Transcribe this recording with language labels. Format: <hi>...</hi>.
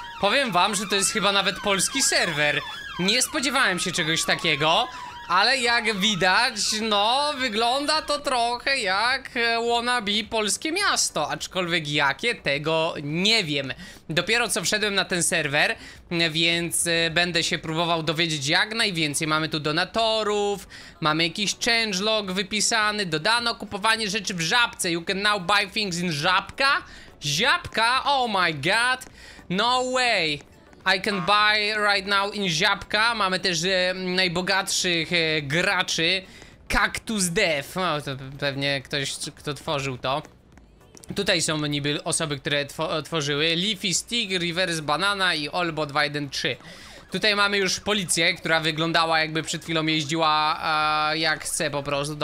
<pl>Powiem wam, że to jest chyba nawet polski serwer. Nie spodziewałem się czegoś takiego, ale jak widać, no, wygląda to trochę jak wannabe polskie miasto. Aczkolwiek jakie, tego nie wiem. Dopiero co wszedłem na ten serwer, więc będę się próbował dowiedzieć jak najwięcej. Mamy tu donatorów, mamy jakiś changelog wypisany, dodano kupowanie rzeczy w Żabce.</pl> <en>You can now buy things in Żabka? Żabka? Oh my god! No way! I can buy right now in Żabka.</en> <pl>Mamy też najbogatszych graczy. Cactus Dev. No, to pewnie ktoś, kto tworzył to. Tutaj są niby osoby, które tworzyły. Leafy Stick, Reverse Banana i Olbo 213. Tutaj mamy już policję, która wyglądała jakby przed chwilą jeździła jak chce po prostu.</pl>